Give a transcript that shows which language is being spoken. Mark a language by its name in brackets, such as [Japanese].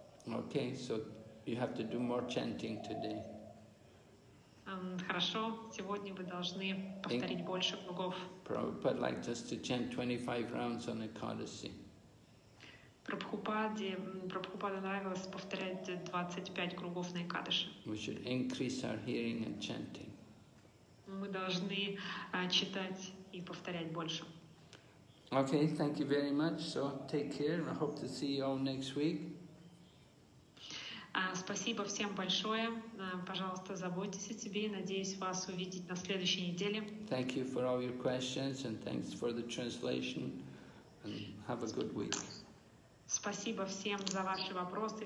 [English] Okay, so you have to do more chanting today. [Russian] Хорошо, сегодня вы должны повторить больше кругов. [English] Prabhupada liked us to chant 25 rounds on Ekadasi. [Russian] Прабхупаде нравилось повторять 25 кругов на Экадыши. [English] We should increase our hearing and chanting. [Russian] Мы должны читать и повторять больше. [English] Okay, thank you very much. So take care and I hope to see you all next week. [Russian] Спасибо всем большое. Пожалуйста, заботьтесь о себе. Надеюсь вас увидеть на следующей неделе. [English] Thank you for all your questions and thanks for the translation. And have a good week. [Russian] Спасибо всем за ваши вопросы.